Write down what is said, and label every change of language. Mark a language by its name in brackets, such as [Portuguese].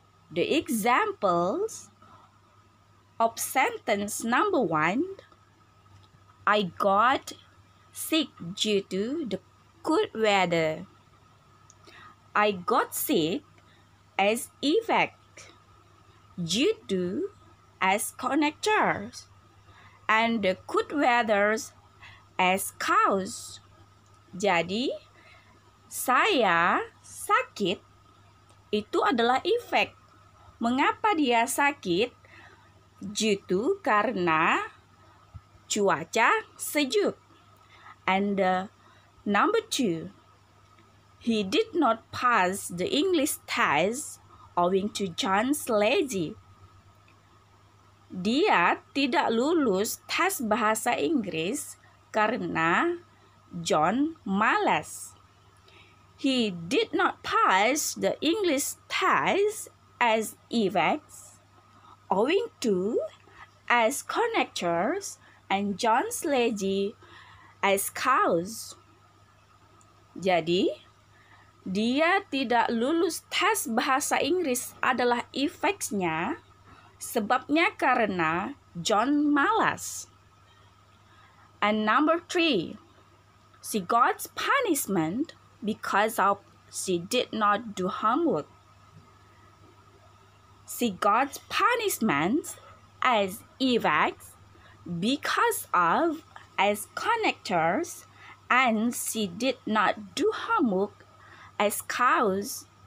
[English] The examples of sentence number one, I got sick due to the cold weather. I got sick as effect, due to as connectors, and the cold weather as cause. [Indonesian] Jadi, saya sakit itu adalah effect. Mengapa dia sakit? [English] Due to [Indonesian] karena cuaca sejuk. [English] And number two, he did not pass the English test owing to John's lazy. [Indonesian] Dia tidak lulus tes bahasa Inggris karena John malas. [English] He did not pass the English test as effects owing to as connectors and John's lazy as cause. [Indonesian] Jadi, dia tidak lulus tes bahasa Inggris adalah efeknya, sebabnya karena John malas. [English] And number three, she got punishment because of she did not do homework. She got punishment as effects because of as connectors, and she did not do homework as cause.